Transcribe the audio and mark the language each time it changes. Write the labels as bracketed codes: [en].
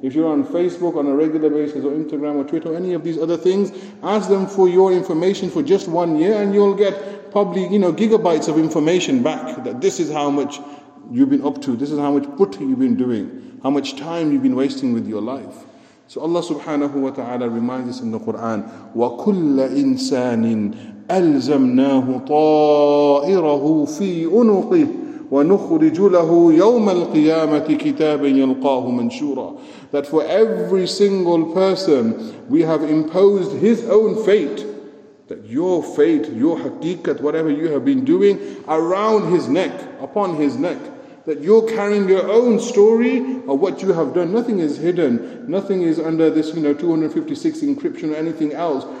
[en] If you're on Facebook on a regular basis, or Instagram or Twitter or any of these other things, ask them for your information for just 1 year, and you'll get probably, you know, gigabytes of information back, that this is how much you've been up to, this is how much put you've been doing, how much time you've been wasting with your life. So Allah subhanahu wa ta'ala reminds us in the Quran, [ar] وَكُلَّ إِنسَانٍ أَلْزَمْنَاهُ طَائِرَهُ فِي أُنُقِهِ وَنُخْرِجُ لَهُ يَوْمَ الْقِيَامَةِ كِتَابًا يَلْقَاهُ مَنْشُورًا. [en] That for every single person, we have imposed his own fate that your fate, your haqiqat, whatever you have been doing, around his neck, upon his neck, that you're carrying your own story of what you have done. Nothing is hidden. Nothing is under this, 256 encryption or anything else.